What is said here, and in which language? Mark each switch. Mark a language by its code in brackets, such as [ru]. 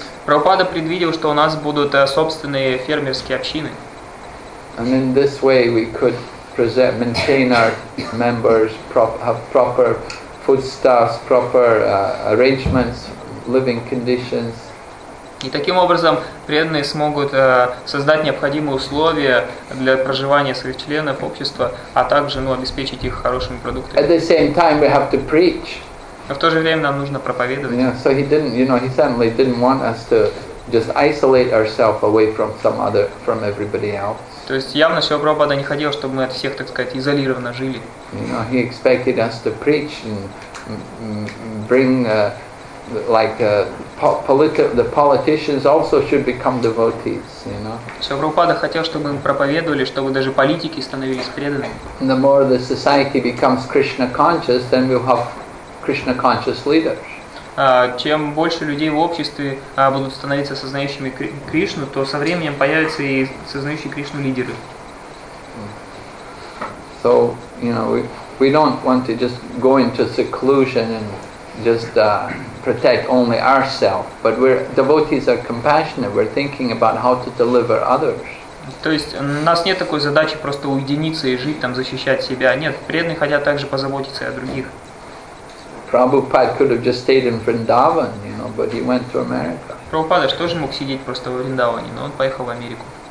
[ru] Прабхупада предвидел, что у нас будут собственные фермерские общины. [en] And in this way, we could present, maintain our members, have proper foodstuffs, proper arrangements, living conditions. [ru] И таким образом преданные смогут создать необходимые условия для проживания своих членов общества, а также, ну, обеспечить их хорошими продуктами. [en] At the same time, we have to preach. [ru] Но в то же время нам нужно проповедовать. [en] Yeah, so he didn't, you know, he certainly didn't want us to just isolate ourselves away from some other, from everybody else. [ru] То есть явно Шрила Прабхупада не хотел, чтобы мы от всех, так сказать, изолированно жили. [en] You know, he expected us to preach and bring the politicians also should become devotees, you know. [ru] Шрила Прабхупада хотел, чтобы мы проповедовали, чтобы даже политики становились преданными. [en] The more the society becomes Krishna conscious, then we'll have Krishna conscious leaders. [ru] Чем больше людей в обществе будут становиться сознающими Кришну, то со временем появятся и сознающие Кришну лидеры. [en] So, you know, we don't want to just go into seclusion and just protect only ourselves, but we're devotees are compassionate. We're thinking about how to deliver others. [ru] То есть у нас нет такой задачи просто уединиться и жить там, защищать себя. Нет, преданные хотят также позаботиться и о других. [en] Prabhupada could have just stayed in Vrindavan, you know, but he went to America. [ru] Prabhupada же тоже мог сидеть просто в Вриндаване, но он поехал в Америку.